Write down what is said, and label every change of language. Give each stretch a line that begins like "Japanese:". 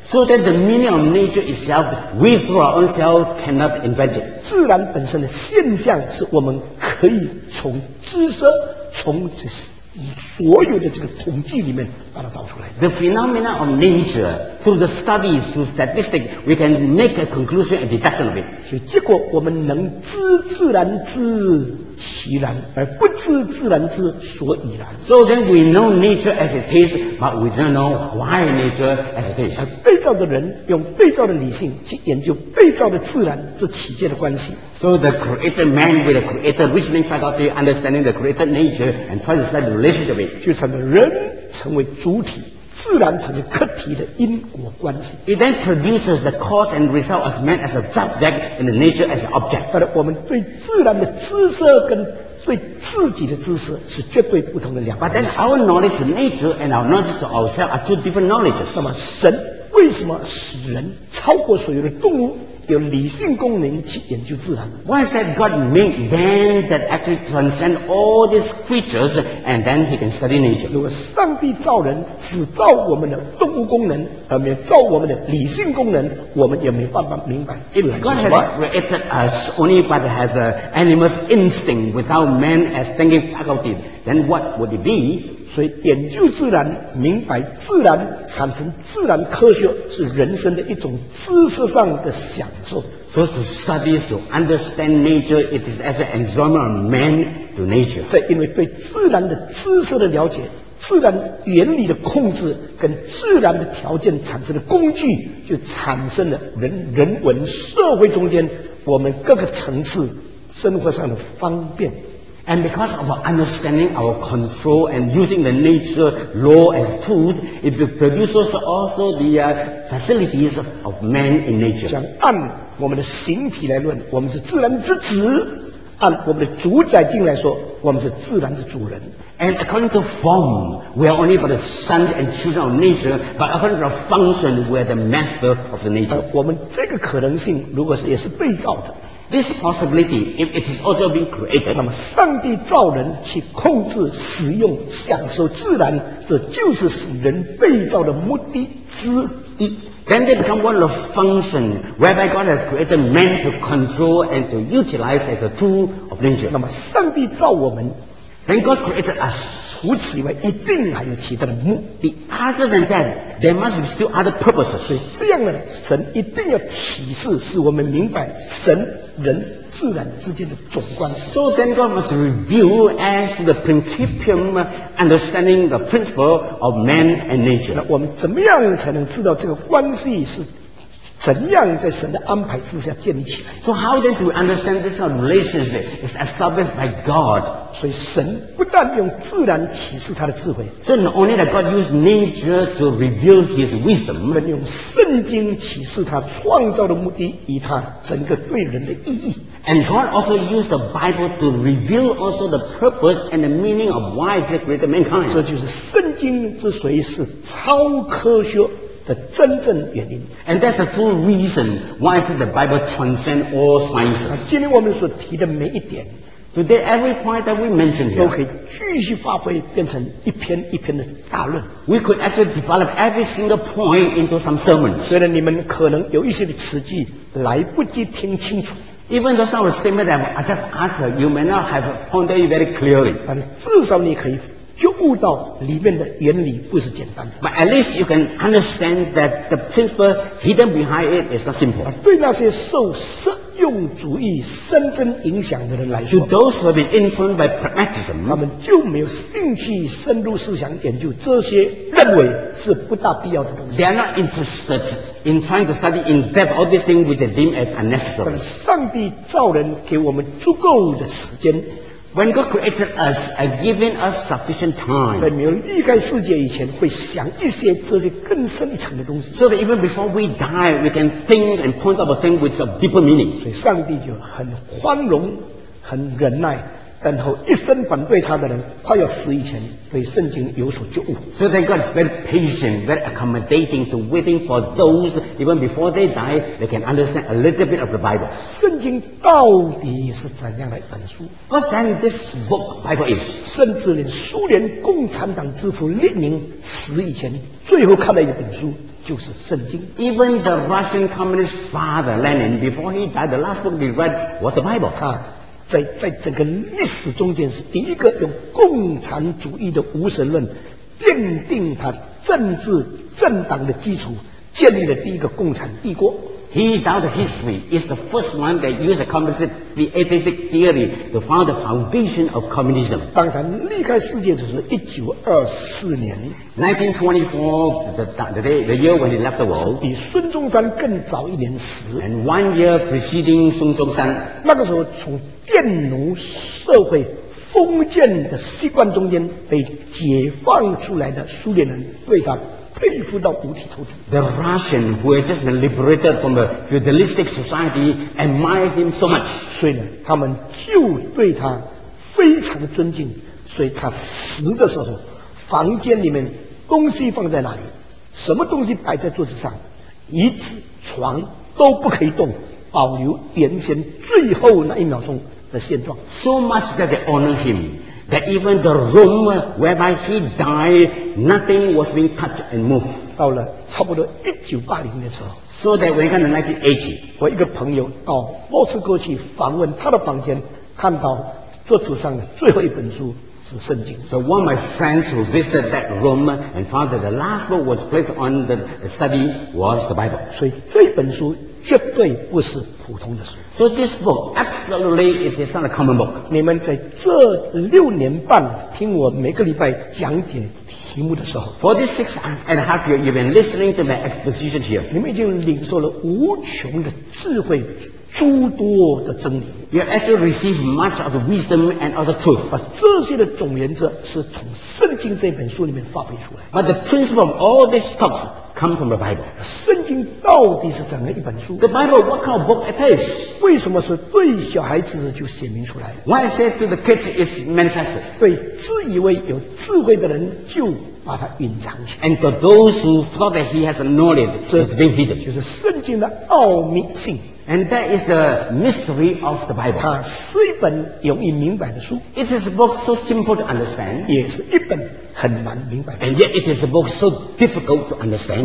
English: So that the meaning of nature itself, we through our own self cannot invent it.
Chinese: 自然本身的现象是我们可以从知识、从所有的这个统计里面把它找出来。
English: The phenomena of nature through the studies, through statistics, we can make a conclusion and deduction of it.
Chinese: 所以结果我们能知自然知其然，而不知自然知所以然。
English: So then we know nature as it is, but we don't know why nature as it is.
Chinese: 被造的人用被造的理性去研究被造的自然之起界的关系。
English: So the created man with the created reasoning faculty understanding the created nature and try to study the relationship of it.
Chinese: 就成了人成为主体，自然成为客体的因果关系。
English: It then produces the cause and result as man as a subject and the nature as an object.
Chinese: 但是我们对自然的知识跟对自己的知识是绝对不同的两个。
English: But then our knowledge to nature and our knowledge to ourselves are two different knowledges.
Chinese: 那么神为什么使人超过所有的动物？有理性功能去研究自然。
English: Why is that God made man that actually transcend all these creatures and then he can study nature?
Chinese: 如果上帝造人只造我们的动物功能而没有造我们的理性功能，我们也没办法明白。
English: If God has created us only but has an animal's instinct without man as thinking faculty, then what would it be?
Chinese: 所以研究自然，明白自然，产生自然科学，是人生的一种知识上的享受。
English: So to study, to understand nature, it is as an enjoyment of man to nature.
Chinese: 这因为对自然的知识的了解，自然原理的控制跟自然的条件产生的工具，就产生了人文社会中间我们各个层次生活上的方便。
English: And because of our understanding, our control, and using the nature law as tools, it produces also the facilities of man in nature.
Chinese: 像按我们的形体来论，我们是自然之子；按我们的主宰性来说，我们是自然的主人。
English: And according to form, we are only but the sons and children of nature, but according to function, we are the master of the nature.
Chinese: 我们这个可能性，如果是也是被造的。
English: This possibility, if it is also being created,
Chinese: 那么上帝造人去控制、使用、享受自然，这就是使人被造的目的之一。
English: Then they become one of function whereby God has created man to control and to utilize as a tool of nature.
Chinese: 那么上帝造我们
English: ，Then God created us.
Chinese: 除此以外，一定还有其他的目的。
English: Other than that, there must be still other purposes.
Chinese: 所以这样呢，神一定要启示，使我们明白神。人自然之间的总关系。
English: So then God must review as the principium understanding the principle of man and nature.
Chinese: 那我们怎么样才能知道这个关系是怎样在神的安排之下建立起来？
English: So how then do we understand this relationship is established by God?
Chinese: 所以神不但用自然启示他的智慧。
English: So not only that God used nature to reveal his wisdom,
Chinese: 但用圣经启示他创造的目的以他整个对人的意义。
English: And God also used the Bible to reveal also the purpose and the meaning of why he created mankind.
Chinese: 这就是圣经之所以是超科学的真正原因。
English: And that's the full reason why is it the Bible transcends all sciences.
Chinese: 今天我们所提的每一点
English: Today every point that we mentioned here
Chinese: 都可以继续发挥变成一篇一篇的大论。
English: We could actually develop every single point into some sermon.
Chinese: 虽然你们可能有一些的词句来不及听清楚。
English: Even though some of the statement that I just uttered, you may not have pointed it very clearly.
Chinese: 但至少你可以就悟到里面的原理不是简单的。
English: But at least you can understand that the principle hidden behind it is not simple.
Chinese: 对那些受实用主义深深影响的人来说
English: ，to those who have been influenced by pragmatism,
Chinese: 他们就没有兴趣深入思想研究这些认为是不大必要的东西。
English: They are not interested in trying to study in depth all these things which they deem as unnecessary.
Chinese: 但上帝造人给我们足够的时间。
English: When God created us and given us sufficient time,
Chinese: 在没有离开世界以前，会想一些这些更深一层的东西。
English: So that even before we die, we can think and point out a thing with a deeper meaning.
Chinese: 所以上帝就很宽容，很忍耐，等候一生反对他的人快要死以前，对圣经有所觉悟。
English: So that God is very patient, very accommodating to waiting for those even before they die, they can understand a little bit of the Bible.
Chinese: 圣经到底是怎样的一本书？
English: What then this book, Bible is?
Chinese: 甚至连苏联共产党之父列宁死以前最后看了一本书就是圣经。
English: Even the Russian communist father Lenin, before he died, the last book he read was the Bible.
Chinese: 他在整个历史中间是第一个用共产主义的无神论奠定他政治政党的基础，建立了第一个共产帝国。
English: He doubt history is the first one that used the composite the atheistic theory to found the foundation of communism.
Chinese: 当他离开世界就是1924年
English: 1924, the year when he left the world.
Chinese: 比孙中山更早一年死。
English: And 1 year preceding 孙中山。
Chinese: 那个时候从佃奴社会封建的习惯中间被解放出来的苏联人对他佩服到五体投地。
English: The Russian who had just been liberated from a feudalistic society admired him so much.
Chinese: 所以呢，他们就对他非常尊敬。所以他死的时候，房间里面东西放在哪里，什么东西摆在桌子上，椅子、床都不可以动，保留原先最后那一秒钟的现状。
English: So much that they honor him. That even the room whereby he died, nothing was being touched and moved.
Chinese: 到了差不多1980年的时候
English: ，So that when he got to 1980,
Chinese: 我一个朋友到莫斯科去访问他的房间，看到桌子上的最后一本书是圣经。
English: So one of my friends who visited that room and found that the last book was placed on the study was the Bible.
Chinese: 所以这本书绝对不是普通的书。
English: So this book absolutely it is not a common book.
Chinese: 你们在这六年半听我每个礼拜讲解题目的时候
English: ，For this 6.5 years you've been listening to my exposition here.
Chinese: 你们已经领受了无穷的智慧，诸多的真理。
English: You actually receive much of the wisdom and other truth.
Chinese: 把这些的总原则是从圣经这本书里面发挥出来。
English: But the principle of all these talks. Come from the Bible.
Chinese: 圣经到底是怎样一本书
English: ？The Bible, what kind of book it is?
Chinese: 为什么是对小孩子就写明出来
English: ？Why say to the kids is manifested?
Chinese: 对自以为有智慧的人就把它隐藏起来。
English: And for those who thought that he has a knowledge, it's been hidden.
Chinese: 就是圣经的奥秘性。
English: And that is the mystery of the Bible.
Chinese: 它是一本容易明白的书。
English: It is a book so simple to understand.
Chinese: 也是一本。很难明白。
English: And yet it is a book so difficult to understand.